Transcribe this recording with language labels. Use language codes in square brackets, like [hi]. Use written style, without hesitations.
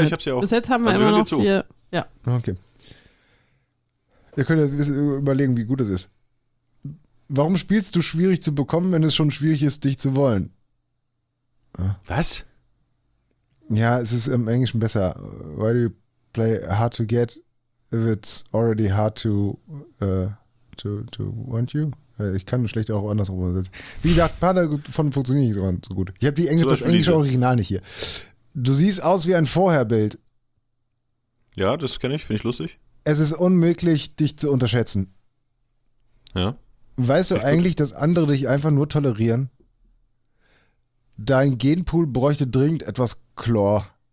[de] Ja, ich hab's ja auch. Bis jetzt haben wir immer noch hier. Ja. Okay. Ihr könnt ja überlegen, wie gut es ist. Warum spielst du schwierig zu bekommen, wenn es schon schwierig ist, dich zu wollen? Was? Ja, es ist im Englischen besser. [en] Why do you play hard to get if it's already hard to want you? [de] Ich kann schlecht auch andersrum übersetzen. Wie gesagt, ein paar davon funktioniert nicht so gut. Ich habe das englische Original nicht hier. Du siehst aus wie ein Vorherbild. Ja, das kenne ich, finde ich lustig. Es ist unmöglich, dich zu unterschätzen. Ja. Weißt du eigentlich, dass andere dich einfach nur tolerieren? Dein Genpool bräuchte dringend etwas Chlor.